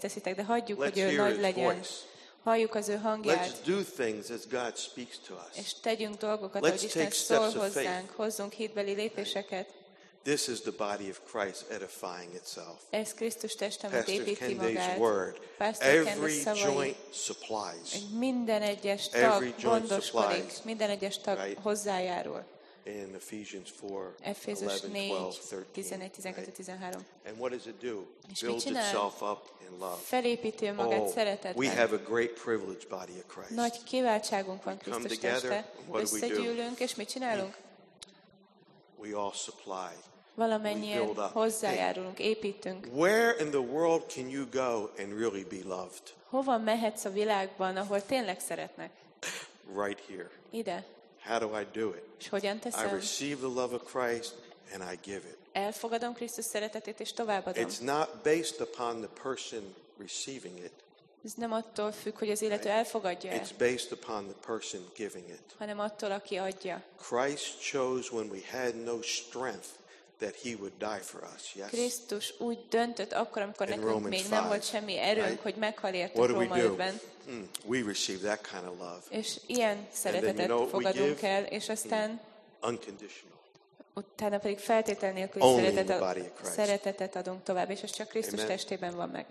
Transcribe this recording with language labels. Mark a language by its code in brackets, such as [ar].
[hu] teszitek, de hagyjuk, hogy ő nagy legyen. [en] Voice. [hu] halljuk az ő hangját. [en] Let's do things as God speaks to us. [hu] És tegyünk dolgokat, ahogy Isten szól hozzánk. Hozzunk hitbeli lépéseket. [en] This is the body of Christ edifying itself. [hu] Ez Krisztus teste, amit építi magát. [en] Pastor Kendall's word. Every joint supplies. [hu] Minden egyes tag gondoskodik. Minden egyes tag hozzájárul. [en] In Ephesians 4, 11, 12, 13. Right? And what does it do? Builds itself up in love. [hu] Felépíti magát szeretetben. [en] We have a great privilege body of Christ. [hu] Nagy kiváltságunk van Krisztus teste. Összegyűlünk, és mit csinálunk? [en] We all supply. [hu] Valamennyien hozzájárulunk, építünk. [en] Where in the world can you go and really be loved? [hu] Hova mehetsz a világban, ahol tényleg szeretnek? [en] Right here. [hu] Ide. [en] How do I do it? [hu] És hogyan teszem? [en] I receive the love of Christ and I give it. [hu] Elfogadom Krisztus szeretetét és továbbadom. [en] It's not based upon the person receiving it. [hu] Ez nem attól függ, hogy az illető elfogadja. [en] It's based upon the person giving it. [hu] Hanem attól, aki adja. [en] Christ chose when we had no strength that he would die for us. Yes. [hu] Krisztus úgy döntött akkor, amikor nekünk még nem volt semmi erőnk, hogy meghal értünk. [en] What do we do? We receive that kind of love. [hu] És ilyen szeretetet fogadunk el, és aztán [en] unconditional. [hu] Utána pedig feltétel nélküli szeretetet adunk tovább, és ez csak Krisztus testében van meg.